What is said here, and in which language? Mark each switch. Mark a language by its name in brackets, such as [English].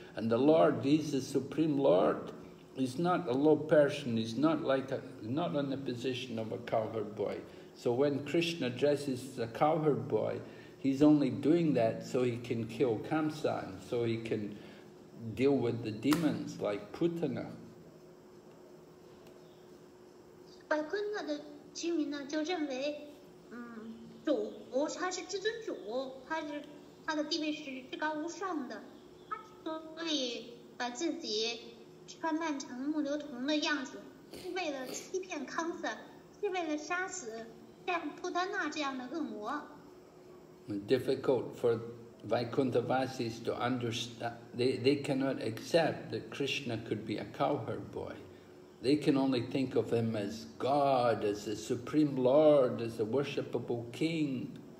[English] And the Lord, he's the Supreme Lord. He's not a low person, he's not like not in the position of a cowherd boy. So when Krishna dresses as a cowherd boy, he's only doing that so he can kill Kamsa, so he can deal with the demons like Putana. [Chinese] Vaikuntha 的居民呢就认为，主他是至尊主，他的地位是至高无上的，他所以把自己穿扮成木牛童的样子，是为了欺骗康瑟，是为了杀死像布丹纳这样的恶魔。 [English] Difficult for Vaikuntha Vasis to understand. They cannot accept that Krishna could be a cowherd boy. They can only think of him as God, as the Supreme Lord, as a worshipable king.